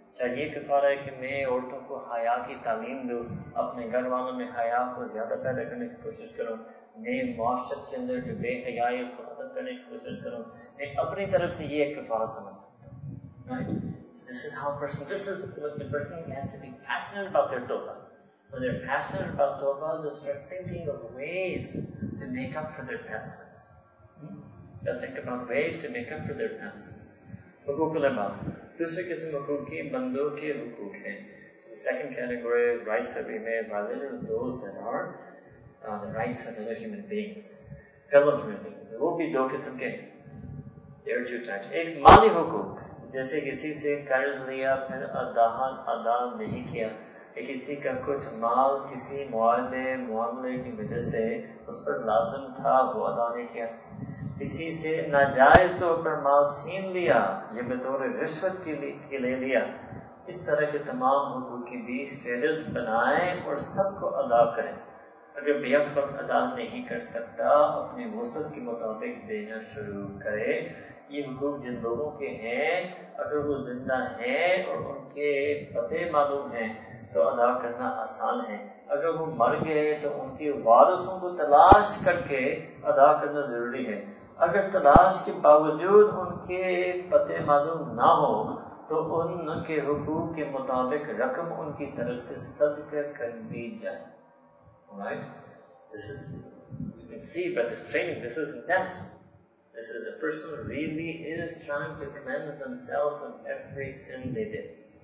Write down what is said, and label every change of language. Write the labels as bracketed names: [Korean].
[Urdu] چاہے یہ کفارہ ہے کہ میں عورتوں کو حیا کی تعلیم دوں، اپنے گھر والوں میں حیا کو زیادہ پیدا کرنے کی کوشش کروں، میں معاشرت کے اندر جو بے حیائی اس کو ختم کرنے کی کوشش کروں، میں اپنی طرف سے یہ ایک کفارہ سمجھ سکتا ہوں. [English] Right? So this is how person, this is what the person has to be passionate about their tawbah. When they're passionate about tawbah, they'll start thinking of ways to make up for their past sins. They'll think about ways to make up for their past sins. [Urdu] حقوق العباد دوسرے قسم حقوق کی بندوں کے حقوق ہیں. [English] Second category rights of human beings are those that are the rights of other human beings, fellow human beings. [Urdu] وہ بھی دو قسم کے ہیں. [English] There are two types. [Urdu] ایک مالی حقوق، جیسے کسی سے قرض لیا پھر ادا نہیں کیا، کسی کا کچھ مال کسی معاملے کی وجہ سے اس پر لازم تھا وہ ادا نہیں کیا، کسی سے ناجائز طور پر مال چھین لیا یا بطور رشوت کے لے لیا، اس طرح کے تمام حقوق کی بھی فہرست بنائیں اور سب کو ادا کریں. اگر بیک وقت ادا نہیں کر سکتا، اپنی وسعت کے مطابق دینا شروع کرے. یہ حقوق جن لوگوں کے ہیں، اگر وہ زندہ ہیں اور ان کے پتے معلوم ہیں تو ادا کرنا آسان ہے، اگر وہ مر گئے تو ان کے وارثوں کو تلاش کر کے ادا کرنا ضروری ہے. اگر تلاش کے باوجود ان کے پتے معلوم نہ ہو تو ان کے حقوق کے مطابق رقم ان کی طرف سے صدقہ کر دی جائے. [English] Alright? This is, you can see by this training, this is intense. This is a person who really is trying to cleanse themselves from every sin they did.